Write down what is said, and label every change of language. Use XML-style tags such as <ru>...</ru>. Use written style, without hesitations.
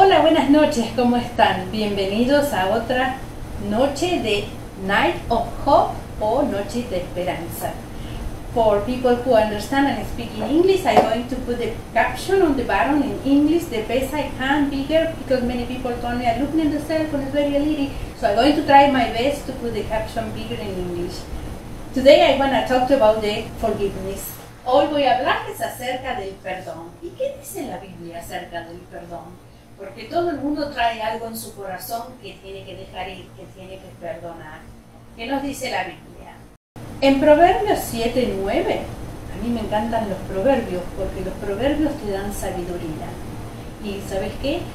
<es>Buenas noches, ¿cómo están? Bienvenidos a otra noche de Night of Hope o Noche de Esperanza.</es> <en>For people who understand and speak in English, I'm going to put the caption on the bottom in English the best I can, bigger, because many people told me I'm looking at the cell phone, it's very little. So I'm going to try my best to put the caption bigger in English. Today I want to talk about the forgiveness.</en> <es>Hoy voy a hablarles acerca del perdón. ¿Y qué dice la Biblia acerca del perdón? Porque todo el mundo trae algo en su corazón que tiene que dejar ir, que tiene que perdonar. ¿Qué nos dice la Biblia? En Proverbios 7:9, a mí me encantan los proverbios, porque los proverbios te dan sabiduría. ¿Y sabes qué?</es>